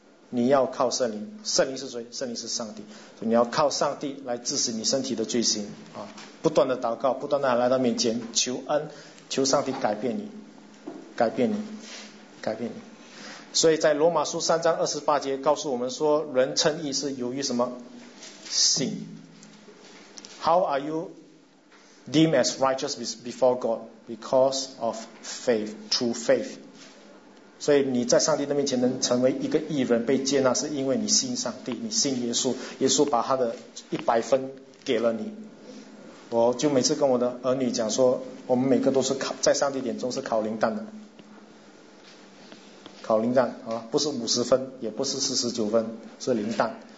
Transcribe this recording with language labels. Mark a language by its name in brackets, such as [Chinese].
[Chinese] 你要靠圣灵，圣灵是谁？圣灵是上帝，所以你要靠上帝来致死你身体的罪行啊！不断的祷告，不断的来到面前求恩，求上帝改变你，改变你，改变你。所以在罗马书三章二十八节告诉我们说，人称义是由于什么？信。 [English] How are you deemed as righteous before God? Because of faith, through faith. [Chinese] 所以你在上帝的面前能成为一个义人被接纳，是因为你信上帝，你信耶稣，耶稣把他的一百分给了你。我就每次跟我的儿女讲说，我们每个都是考在上帝眼中是考零蛋的，考零蛋啊，不是五十分，也不是四十九分，是零蛋。